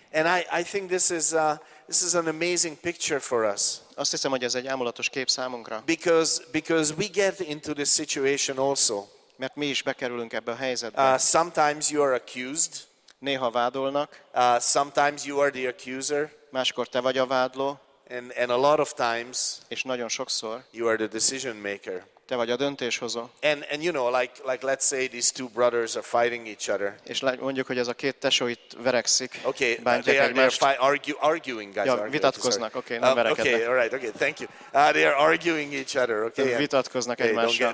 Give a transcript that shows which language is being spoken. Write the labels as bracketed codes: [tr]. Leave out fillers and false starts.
[en] And I think this is an amazing picture for us. [hu] Azt hiszem, hogy ez egy álmulatos kép számunkra. [en] Because we get into this situation also. [hu] Mert mi is bekerülünk ebbe a helyzetbe. [en] Sometimes you are accused. [hu] Néha vádolnak. [en] Sometimes you are the accuser. [hu] Máskor te vagy a vádló. [en] And a lot of times. [hu] És nagyon sokszor. [en] You are the decision maker. [hu] Te vagy a döntéshozó. [en] And you know, like let's say these two brothers are fighting each other. [hu] És mondjuk, hogy ez a két tesó itt verekszik. [en] Okay, they are arguing, guys. [hu] Ja, vitatkoznak, okay, nem verekednek. [en] Okay, all right, okay, thank you. They are arguing each other, okay. [hu] Vitatkoznak egymással.